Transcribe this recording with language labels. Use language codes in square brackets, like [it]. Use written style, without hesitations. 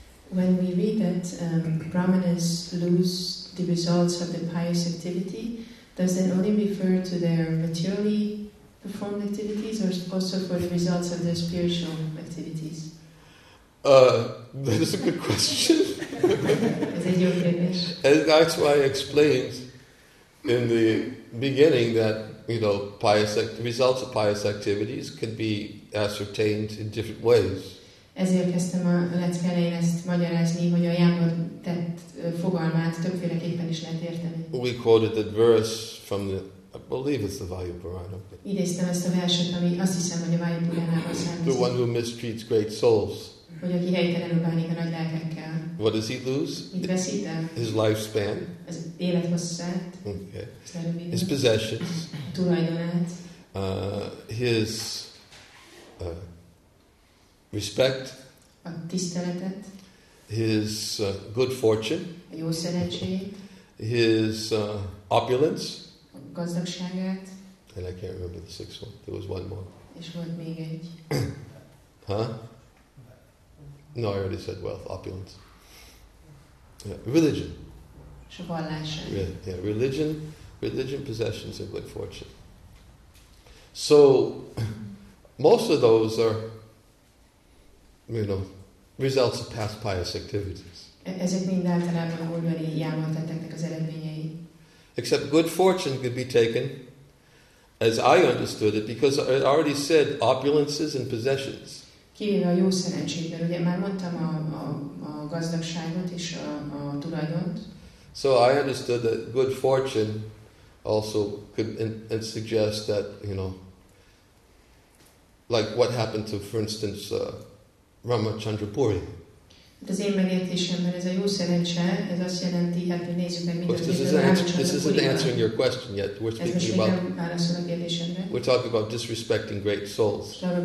[en] When we read that Brahmanas lose the results of the pious activity, does that only refer to their materially performed activities or also for the results of their spiritual activities? That is a good question. Is it your finish? And that's why I explained in the beginning that, you know, pious results of pious activities can be ascertained in different ways. [hu] Ezért kezdtem a leckerején ezt magyarázni, hogy a jámbor tett fogalmát többféleképpen is lehet érteni. [en] We quoted that verse from the, I believe it's the Vayupurana. [hu] Idéztem ezt a verset, ami azt hiszem, hogy a Vayupuranában származik. [en] The one who mistreats great souls. [hu] Hogy aki helytelenül bánik a nagy lelkekkel. [en] What does he lose? [hu] Mit veszít el? [en] His lifespan. [hu] Az élethosszát. [en] Okay. His possessions. [hu] Tulajdonát. [en] His respect, [hu] a tiszteletet, [en] his good fortune, [hu] a jó szerencsét, [en] his opulence, [hu] a gazdagságát, [en] and I can't remember the sixth one. There was one more. [hu] És volt még egy. Huh? [en] No, I already said wealth, opulence. Yeah. Religion. [hu] És a vallása. [en] Yeah, religion, religion, possessions, and good fortune. So, most of those are, you know, results of past pious activities. [hu] Ezek mind általában múlbeli jámbor tetteknek az eredményei. [en] Except good fortune could be taken, as I understood it, because I already said opulences and possessions. [hu] Kivéve a jó szerencsét, mert ugye már mondtam a gazdagságot és a tulajdont. [en] So I understood that good fortune also could and suggest that, you know, like what happened to, for instance, Ramachandrapuri. [hu] Az én megértésemben ez a jó szerencse, ez azt jelenti, hát hogy nézzük meg mindenki, hogy Ramachandrapuri. [en] This isn't answering your question yet. We're speaking [hu] ez [en] about. We're talking about disrespecting great souls.